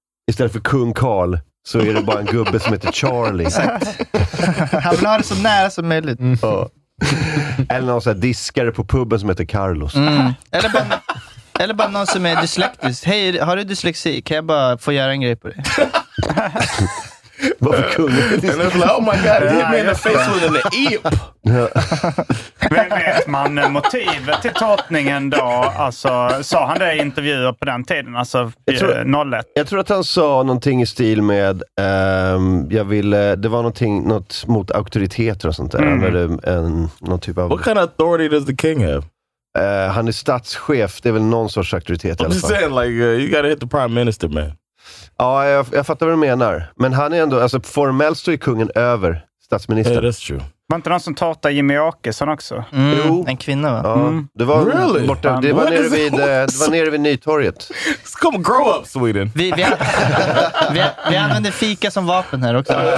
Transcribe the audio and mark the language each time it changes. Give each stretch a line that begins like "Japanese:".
Swedish: Istället för kung Carl så är det bara en gubbe som heter Charlie. Exakt. Han vill ha det så nära som möjligt. Mm. Eller någon sån här diskare på puben som heter Carlos. Mm. Eller bara någon som är dyslektisk. Hej, har du dyslexi? Kan jag bara få göra en grej på dig? Varför kung?
English: And I was like, oh my god, yeah, hit me in the face with an eep.
Swedish: Vem vet man motivet till tårtningen då? Alltså, sa han det i intervjuer på den tiden? Alltså, jag tror att han sa någonting i stil med jag ville, det var någonting något mot auktoriteter och sånt där. Mm. Eller någon typ av...
English: What kind of authority does the king have?
Swedish: Han är statschef, det är väl någon sorts auktoritet
English: I'm
Swedish: i alla fall.
English: I'm saying like, you gotta hit the prime minister, man.
Swedish: Ja, jag fattar vad du menar. Men han är ändå, alltså formellt står ju kungen över statsministern.
English: Yeah, that's true.
Swedish: Var inte någon som tata Jimmy Åkesson också? Mm. Jo. En kvinna, va? Ja. Det var really? Borta, det var nere vid, det var nere vid Nytorget.
English: Come grow up, Sweden!
Swedish: Vi använder fika som vapen här också.